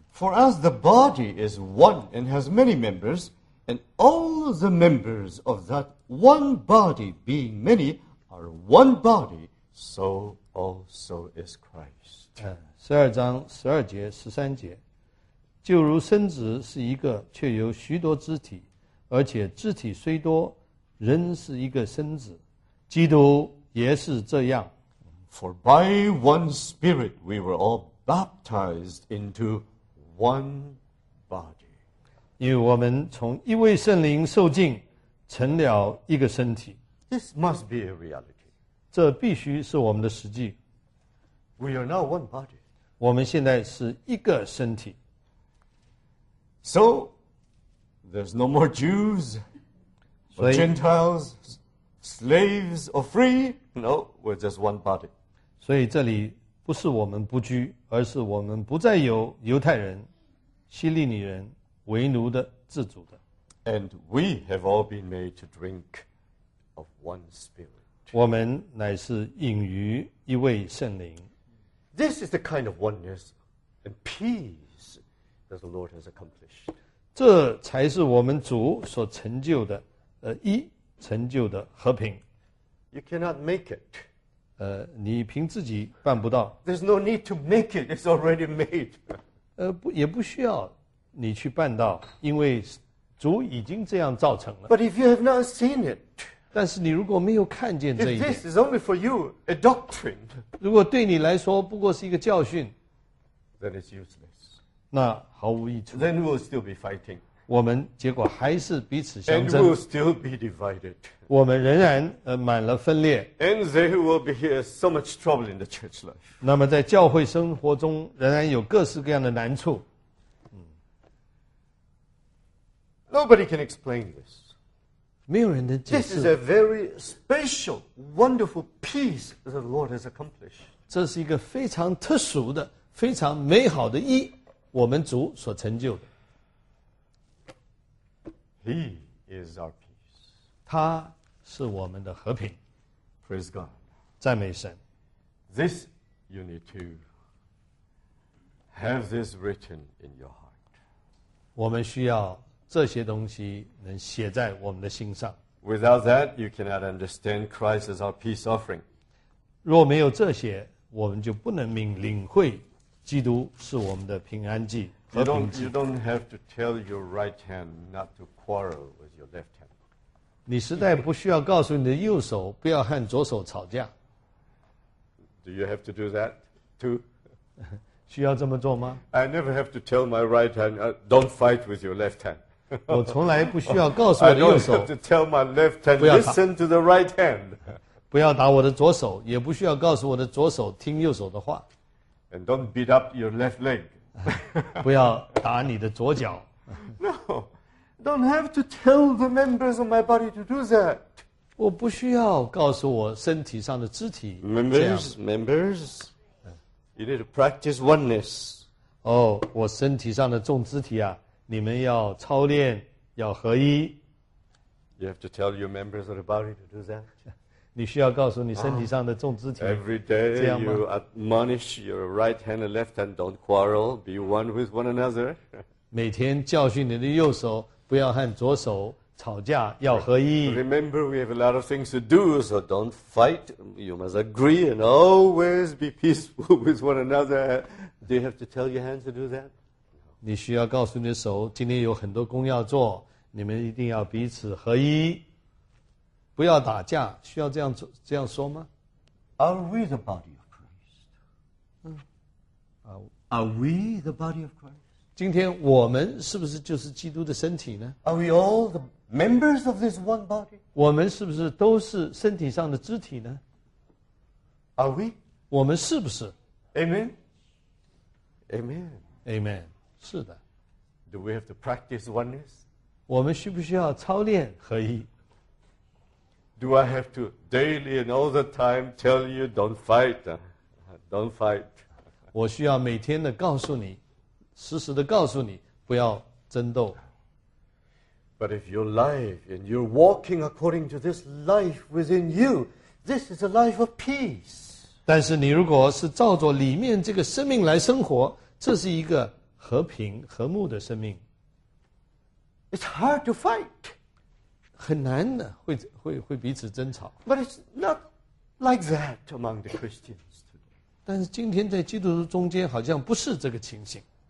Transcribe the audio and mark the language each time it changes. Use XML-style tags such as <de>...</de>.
<en>For as the body is one and has many members, and all the members of that one body being many are one body, so also is Christ.</en> <zh>12章12节13节，就如身子是一个，却有许多肢体，而且肢体虽多，仍是一个身子。基督也是这样。</zh> <en>For by one spirit we were all baptized into one body.</en> <zh>因为我们从一位圣灵受浸，成了一个身体。</zh> <en>This must be a reality.</en> <zh>这必须是我们的实际。</zh> <en>We are now one body.</en> <zh>我们现在是一个身体。</zh> <en>So, there's no more Jews or Gentiles. Slaves or free? No, we're just one body.</en> <zh>所以这里不是我们不拘，而是我们不再有犹太人、希利尼人、为奴的、自主的。</zh> <en>And we have all been made to drink of one spirit.</en> <zh>我们乃是饮于一位圣灵。</zh> <en>This is the kind of oneness and peace that the Lord has accomplished.</en> <zh>这才是我们主所成就的，一。成就的和平。</zh> <en>You cannot make it.</en> <zh>你凭自己办不到。</zh> <en>There's no need to make it. It's already made.</en> <zh>也不需要你去办到，因为主已经这样造成了。</zh> <en>But if you have not seen it,</en> <zh>但是你如果没有看见这一点，</zh> <en>this is only for you a doctrine.</en> <zh>如果对你来说不过是一个教训，</zh> <en>then it's useless.</en> <zh>那毫无益处。</zh> <en>Then we will still be fighting.</en> <zh>我们结果还是彼此相争。</zh> <en>And we'll still be divided.</en> <zh>我们仍然满了分裂。</zh> <en>And there will be so much trouble in the church life.</en> <zh>那么在教会生活中仍然有各式各样的难处。</zh> <en>Nobody can explain this.</en> <zh>没有人能解释。</zh> <en>This is a very special, wonderful peace that the Lord has accomplished.</en> <zh>这是一个非常特殊的、非常美好的义，我们主所成就的。</zh> <en>He is our peace.</en> <zh>他是我们的和平。</zh> <en>Praise God.</en> <zh>赞美神。</zh> <en>This you need to have this written in your heart.</en> <zh>我们需要这些东西能写在我们的心上。</zh> <en>Without that, you cannot understand Christ as our peace offering.</en> <zh>若没有这些，我们就不能领会基督是我们的平安祭。</zh> <en>You don't have to tell your right hand not to quarrel with your left hand.</en> <zh>你实在不需要告诉你的右手不要和左手吵架。</zh> <en>Do you have to do that too?</en> <zh>需要这么做吗？</zh> <en>I never have to tell my right hand, don't fight with your left hand.</en> <zh>我从来不需要告诉我的右手。</zh> <en>I don't have to tell my left hand, listen to the right hand.</en> <zh>不要打我的左手，也不需要告诉我的左手听右手的话。</zh> <en>And don't beat up your left leg.</en> <zh>不要打你的左脚。</zh> <en>No, don't have to tell the members of my body to do that.</en> <zh>我不需要告诉我身体上的肢体。</zh> <en>Members, you need to practice oneness.</en> <zh>我身体上的众肢体啊，你们要操练，要合一。</zh> <en>You have to tell your members of the body to do that.</en> <zh>你需要告诉你身体上的众肢体。</zh> <en>Every day you admonish your right hand and left hand, don't quarrel, be one with one another.</en> <zh>每天教训你的右手，不要和左手吵架，要合一。</zh> <en>Remember, we have a lot of things to do, so don't fight. You must agree and always be peaceful with one another. Do you have to tell your hands to do that? No.</en> <zh>你需要告诉你的手，今天有很多工要做，你们一定要彼此合一，不要打架，需要这样做这样说吗？</zh> <en>Are we the body of Christ? Are we the body of Christ?</en> <zh>今天我们是不是就是基督的身体呢？</zh> <en>Are we all the members of this one body?</en> <zh>我们是不是都是身体上的肢体呢？</zh> <en>Are we?</en> <zh>我们是不是？</zh> <en>Amen? Amen?</en> <zh>Amen. 是的。</zh> <en>Do we have to practice oneness?</en> <zh>我们需不需要操练合一？</zh> <en>Do I have to daily and all the time tell you don't fight? Don't fight.</en> <zh>我需要每天的告诉你，实时的告诉你，不要争斗。</zh> <en>But if your life and you're walking according to this life within you, this is a life of peace.</en> <zh>但是你如果是照着里面这个生命来生活，这是一个和平和睦的生命。</zh> <en>It's hard to fight.</en> <zh>很难的，会彼此争吵。</zh> <en>But it's not like that among the Christians today.</en> <zh>但是今天在基督徒中间好像不是这个情形。</zh>